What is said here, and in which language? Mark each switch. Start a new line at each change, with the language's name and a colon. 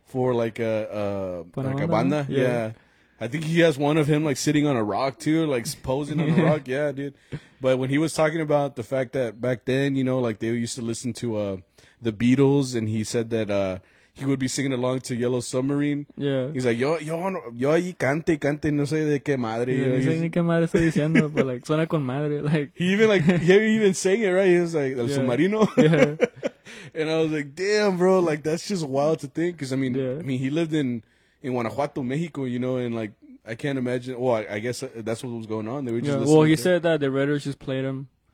English: For, like, a banda. Yeah. I think he has one of him, like, sitting on a rock, too. Like, posing on a rock. Yeah, dude. But when he was talking about the fact that back then, you know, like, they used to listen to the Beatles, and he said that... he would be singing along to Yellow Submarine. Yeah. He's like,
Spanish: yo ahí cante, no sé de qué madre. Yeah, no sé ni qué madre estoy diciendo,
English: but like,
Spanish: suena con madre.
English: Like, he even sang it, right? He was like,
Spanish: el submarino.
English: Yeah. And I was like, damn, bro, like, that's just wild to think. Because, I mean, he lived in Guanajuato, Mexico, you know, and like, I can't imagine. Well, I guess that's what was going on. They were just listening. Well, he said that the Raiders just played him.